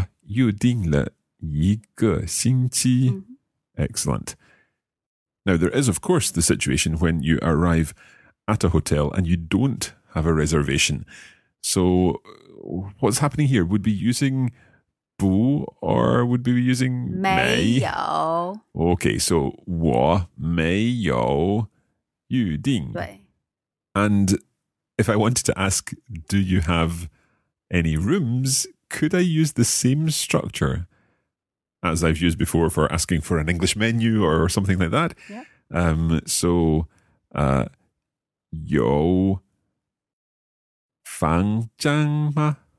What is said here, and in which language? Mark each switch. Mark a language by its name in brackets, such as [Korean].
[Chinese] 我预定了一个星期. [English] Excellent. Now, there is, of course, the situation when you arrive at a hotel and you don't have a reservation. So what's happening here? Would be using 不, or would be using [Chinese] 没有. [English] Okay, so [Chinese] 我没有预定. 对. [English] And if I wanted to ask, do you have any rooms, could I use the same structure as I've used before for asking for an English menu or something like that? Yeah. So [Chinese] 有房间吗?